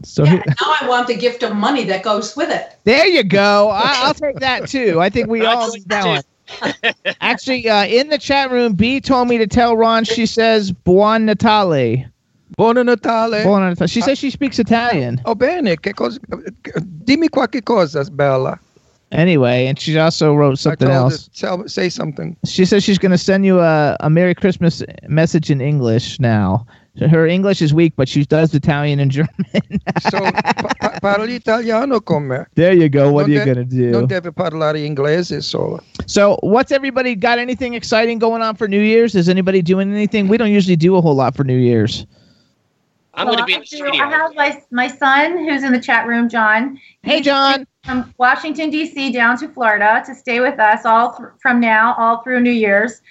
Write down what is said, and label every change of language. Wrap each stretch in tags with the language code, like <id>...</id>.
<en>So yeah, now I want the gift of money that goes with it. There you go. I'll take that too. I think we all need that one. Actually, in the chat room, B told me to tell Ron, she says,</en> <it>Buon Natale. Buona Natale. Buona Natale.</it> <en>She says she speaks Italian.</en> <it>Oh, bene. Che cosa? Dimmi qualche cosa, bella.</it> <en>Anyway, and she also wrote something else. Say something. She says she's going to send you a Merry Christmas message in English now. Her English is weak, but she does Italian and German.</en> <it>So, parli italiano con me.</it> <en>There you go. What are you going to do?</en> <it>Non deve parlare inglese solo.</it> <en>So, what's everybody got anything exciting going on for New Year's? Is anybody doing anything? We don't usually do a whole lot for New Year's. I'm going to be in the studio. I have my son, who's in the chat room, John. Hey, John. from Washington, D.C. down to Florida to stay with us all through New Year's.</en>